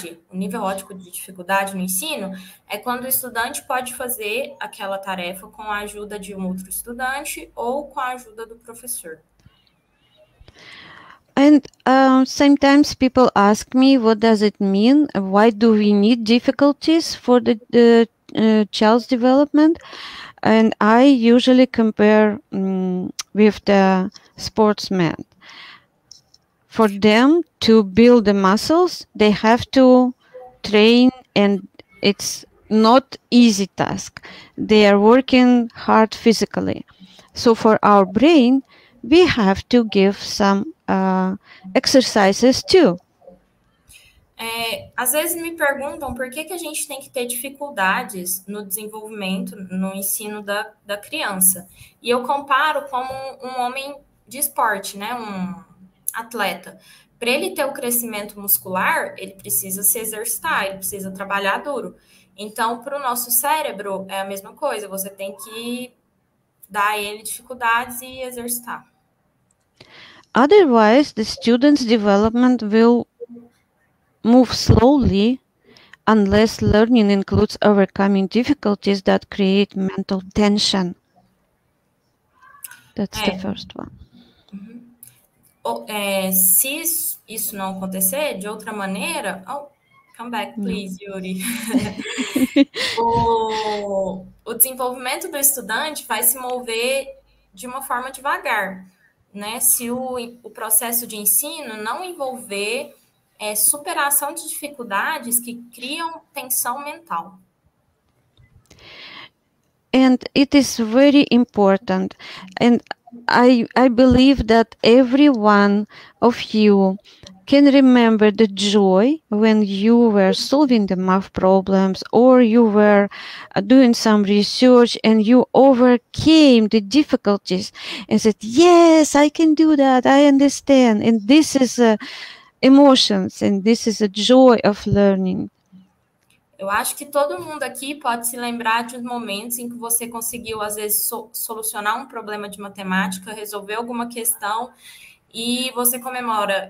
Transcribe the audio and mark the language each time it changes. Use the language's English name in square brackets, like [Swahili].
[Portuguese] O nível ótimo de dificuldade no ensino é quando o estudante pode fazer aquela tarefa com a ajuda de um outro estudante ou com a ajuda do professor. [English] And sometimes people ask me, what does it mean? Why do we need difficulties for the child's development? And I usually compare with the sportsmen. For them to build the muscles, they have to train, and it's not easy task. They are working hard physically. So for our brain, we have to give some exercises too. [Portuguese] Às vezes me perguntam por que a gente tem que ter dificuldades no desenvolvimento, no ensino da criança. E eu comparo como um homem de esporte, né? Um atleta. Para ele ter o crescimento muscular, ele precisa se exercitar, ele precisa trabalhar duro. Então, para o nosso cérebro, é a mesma coisa. Você tem que dar a ele dificuldades e exercitar. [English] Otherwise, the student's development will move slowly unless learning includes overcoming difficulties that create mental tension. That's the first one. [Portuguese] Uh-huh. Se isso não acontecer, de outra maneira... [English] Oh, come back, please, Yuri. [Portuguese] O desenvolvimento do estudante vai se mover de uma forma devagar, né? Se o processo de ensino não envolver superação de dificuldades que criam tensão mental. [English] And it is very important. And I believe that every one of you can remember the joy when you were solving the math problems or you were doing some research and you overcame the difficulties and said, yes, I can do that, I understand. And this is emotions, and this is a joy of learning. [Portuguese] Eu acho que todo mundo aqui pode se lembrar de momentos em que você conseguiu, às vezes, solucionar um problema de matemática, resolver alguma questão, e você comemora.